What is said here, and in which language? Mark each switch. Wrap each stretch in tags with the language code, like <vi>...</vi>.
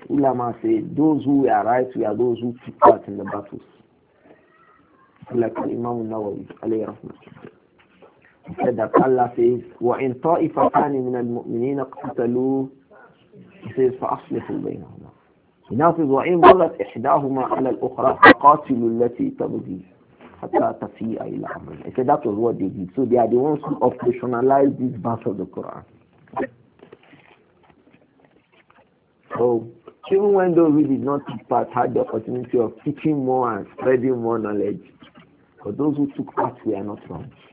<en>Ulama said, those who are right, we are those who took part in the battles. Like Imam Nawawi, alayhi rahmatullah. He said that Allah says,</en> <ar>وَإِنْ طَائِفَتَانِ مِنَ الْمُؤْمِنِينَ قَتَلُوا.</ar> <en>He says,</en> <ar>فَأَصْلِحُوا بَيْنَهُمَا.</ar> <en>He now says,</en> <ar>وَإِنْ ضَلَتْ إِحْدَاهُمَا عَلَى الْأُخْرَى فَقَاتِلُوا الَّتِي تَبْغِي حَتَّى تَفِيءَ إِلَى أَمْرِهِ.</ar> <en>He said, that was what they did. So they are the ones who operationalized this verse of the Quran. So even when those who did not take part had the opportunity of teaching more and spreading more knowledge, but those who took part were not wrong.</en>